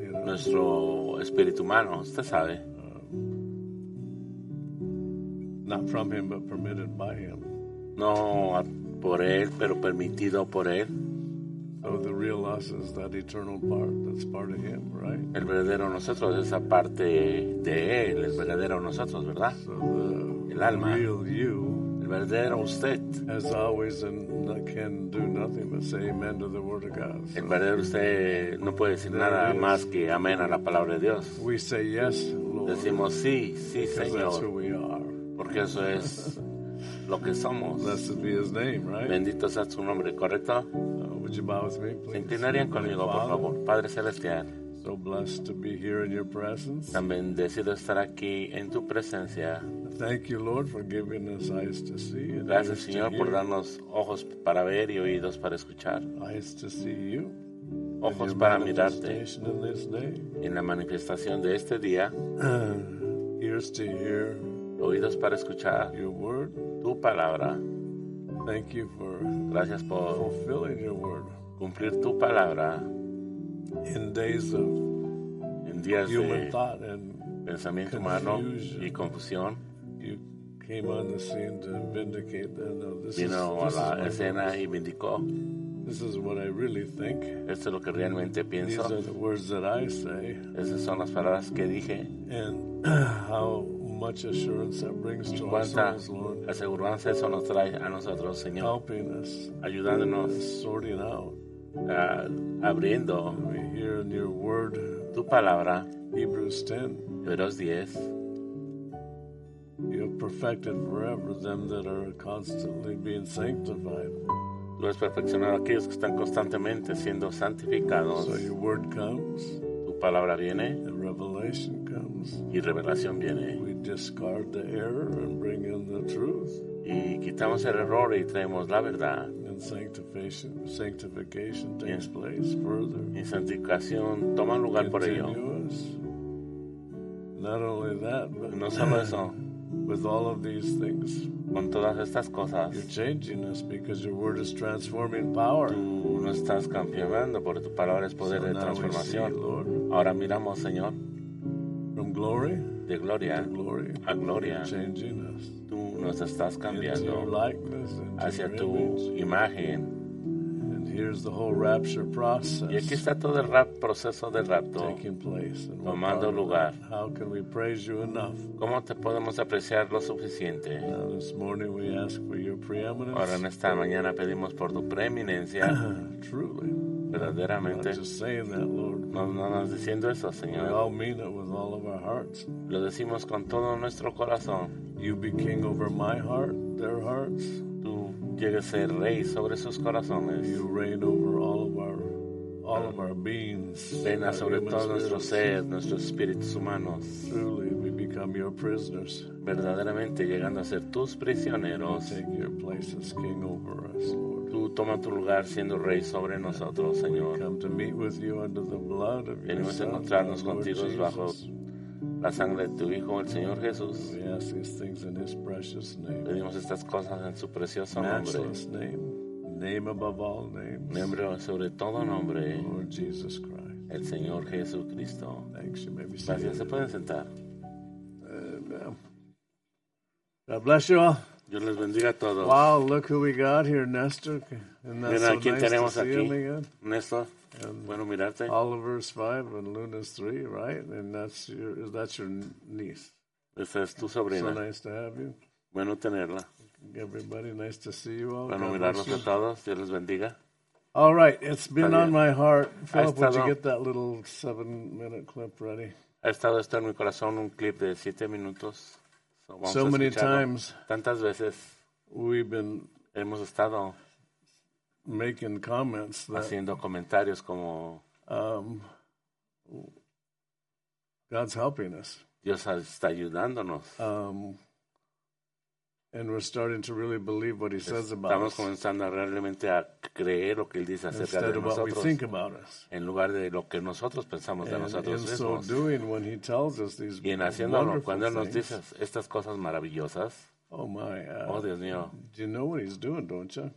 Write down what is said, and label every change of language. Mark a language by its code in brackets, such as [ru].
[es] Nuestro espíritu humano, usted sabe. [en] Not from him, but permitted by him. [es] No por él, pero permitido por él. [en] So the real us is that eternal part that's part of him, right? [es] El verdadero nosotros, esa parte de él, el verdadero nosotros, ¿verdad? [en] So the [es] el alma. [en] Real you. [es] El verdadero usted. [en] As always, and can do nothing but say amen to the word of God. [es] El verdadero usted no puede decir nada más que amén a la palabra de Dios. [en] We say yes, Lord. [es] Decimos sí, sí, Señor. [en] That's who we are. [es] Porque eso es lo que somos. [en] Blessed be his name, right? [es] Bendito sea su nombre, ¿correcto? [en] Would you bow with me, please? [es] ¿Se inclinarían conmigo, por favor? Padre Celestial. [en] So blessed to be here in your presence. [es] Tan bendecido estar aquí en tu presencia. [en] Thank you, Lord, for giving us eyes to see. [es] Gracias, Señor, por darnos ojos para ver y oídos para escuchar. [en] Eyes to see you. [es] Ojos para mirarte. [en] In this day. [es] En la manifestación de este día. [en] Ears to hear. [es] Oídos para escuchar. [en] Your word. [es] Tu palabra. [en] Thank you for. [es] Gracias por [en] fulfilling your word. [es] Cumplir tu palabra. [en] In days of [es] en días [en] human [es] de [en] thought and [es] pensamiento humano y confusión. [en] Came on the scene to vindicate that. No, this [es] vino [en] is, this [es] a la escena y vindicó. [en] This is what I really think. [es] Esto es lo que realmente pienso. [en] These are the words that I say. [es] Esas son las palabras que dije. [en] And how much assurance that brings to our souls, Lord. [es] Cuánta aseguranza eso nos trae a nosotros, Señor. [en] Helping us. [es] Ayudándonos. [en] Sorting out. [es] Abriendo. [en] We hear in your word. [es] Tu palabra. [en] Hebrews 10. [es] Hebreos 10. [en] You have perfected forever them that are constantly being sanctified. [es] Tú has perfeccionado a aquellos que están constantemente siendo santificados. [en] So your word comes. [es] Tu palabra viene. [en] And revelation comes. [es] Y revelación viene. [en] We discard the error and bring in the truth. [es] Y quitamos el error y traemos la verdad. [en] And sanctification takes place further. [es] Y santificación toma lugar por ello. [en] Not only that, but [es] no solo eso. [en] With all of these things, [es] con todas estas cosas, [en] you're changing us because your word is transforming power. [es] Tú no estás cambiando porque tu palabra es poder de transformación. Ahora miramos, Señor, [en] from glory [es] de gloria [en] to glory, [es] a gloria. [en] You're changing us. [es] Tú nos estás cambiando [en] into your likeness, into [es] hacia [en] your image. [es] Tu imagen. [en] And here's the whole rapture process. [es] Y aquí está todo el proceso del rapto tomando lugar. [en] How can we praise you enough? [es] ¿Cómo te podemos apreciar lo suficiente? [en] Now this morning we ask for your preeminence. [es] Ahora en esta mañana pedimos por tu preeminencia. [en] Truly. [es] Verdaderamente. [en] Not just saying that, Lord. [es] No, no, no, diciendo eso, Señor. [en] We all mean it with all of our hearts. [es] Lo decimos con todo nuestro corazón. [en] You be king over my heart, their hearts. [es] Llega a ser rey sobre sus corazones. [en] You reign over all of our beings. [es] Reina sobre todo nuestro ser, nuestros espíritus humanos. [en] Truly, we become your prisoners. [es] Verdaderamente llegando a ser tus prisioneros. [en] Take your place as king over us, Lord. [es] Tú toma tu lugar siendo rey sobre nosotros, Señor. [en] We come to meet with you under the blood of your [es] venimos a encontrarnos contigo bajo la sangre de tu Hijo, el Señor Jesús. [en] We ask these things in his precious name. [es] Pedimos estas cosas en su precioso nombre. [en] Matchless name. Name above all names. [es] Nombre sobre todo nombre. [en] Lord Jesus Christ. [es] El Señor Jesucristo. [en] Thanks. You may be [es] seated. Gracias. Se pueden sentar. [en] God bless you all. [es] Dios les bendiga a todos. [en] Wow, look who we got here, Nestor. [es] Mira, ¿quién tenemos aquí? Nestor. And bueno, mirarte. [en] Oliver's 5 and Luna's 3, right? And that's your niece. [es] Esa es tu sobrina. [en] So nice to have you. [es] Bueno tenerla. [en] Everybody, nice to see you all. [es] Bueno, [en] God [es] mirarnos a todos. Dios les bendiga. [en] All right, it's been on my heart. Philip, would you get that little 7-minute clip ready? [es] Ha estado esto en mi corazón, un clip de 7 minutos. [en] So, vamos so a many times. [es] Tantas veces. [en] We've been. [es] Hemos estado. [en] making comments that, [es] haciendo comentarios como [en] God's helping us. [es] Dios está ayudándonos. [en] And we're starting to really believe what he says about us. [es] Estamos comenzando realmente a creer lo que él dice acerca de nosotros. [en] Instead of what we think about us. [es] En lugar de lo que nosotros pensamos de nosotros mismos. [en] And in so doing, when he tells us these wonderful things. [es] Y en haciéndolo, cuando él nos dice estas cosas maravillosas. [en] Oh my. [es] Oh Dios mío. [en] You know what he's doing, don't you?